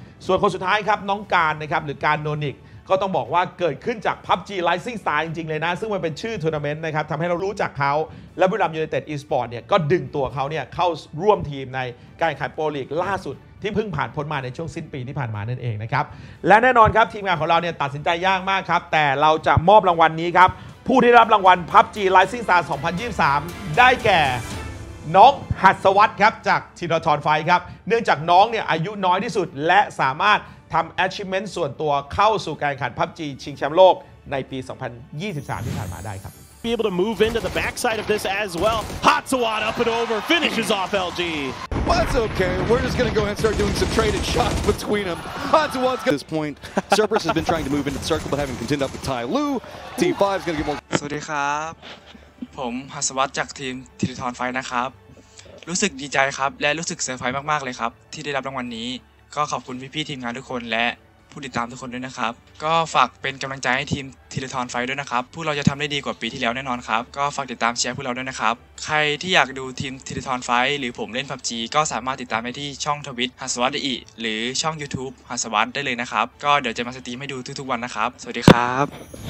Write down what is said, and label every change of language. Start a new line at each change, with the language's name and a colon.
Thai: ส่วนคนสุดท้ายครับน้องการนะครับหรือการโนนิกก็ต้องบอกว่าเกิดขึ้นจาก PUBG Rising Star จริงๆเลยนะซึ่งมันเป็นชื่อทัวร์นาเมนต์นะครับทำให้เรารู้จักเขาและบุรีรัมย์ยูไนเต็ดอีสปอร์ตเนี่ยก็ดึงตัวเขาเนี่ยเข้าร่วมทีมในการแข่งขันโปรลีกล่าสุดที่เพิ่งผ่านพ้นมาในช่วงสิ้นปีที่ผ่านมานั่นเองนะครับและแน่นอนครับทีมงานของเราเนี่ยตัดสินใจยากมากครับแต่เราจะมอบรางวัล นี้ครับผู้ที่รับรางวัล PUBG Rising Star 2023ได้แก่ น้องหัสวัตครับจากธีรธรไฟครับเนื่องจากน้องเนี่ยอายุน้อยที่สุดและสามารถทำ achievement ส่วนตัวเข้าสู่การแข่งขัน PUBG ชิงแชมป์โลกในปี2023ที่ผ่านมาได้ครับ
English: Be able to move into the backside of this as well. Hot Swat up and over finishes off LG. That's okay. We're just gonna go ahead and start doing some traded shots between them. Hot Swat. At this point, Cerberus has been trying to move into the circle but having contend up with Ty Lue. T5 is gonna get more.
Thai: สวัสดีครับผมหัสวัตจากทีมธีรธรไฟนะครับรู้สึกดีใจครับและรู้สึกเซอร์ไพรส์มากๆเลยครับที่ได้รับรางวัลนี้ก็ขอบคุณพี่ๆทีมงานทุกคนและผู้ติดตามทุกคนด้วยนะครับก็ฝากเป็นกำลังใจให้ทีมธีรธรไฟด้วยนะครับพวกเราจะทำได้ดีกว่าปีที่แล้วแน่นอนครับก็ฝากติดตามเชียร์พวกเราด้วยนะครับใครที่อยากดูทีมธีรธรไฟหรือผมเล่น PUBG ก็สามารถติดตามได้ที่ช่องทวิตหัสวัตอีหรือช่อง YouTube หัสวัตได้เลยนะครับก็เดี๋ยวจะมาสตรีมให้ดูทุกๆวันนะครับสวัสดีครับ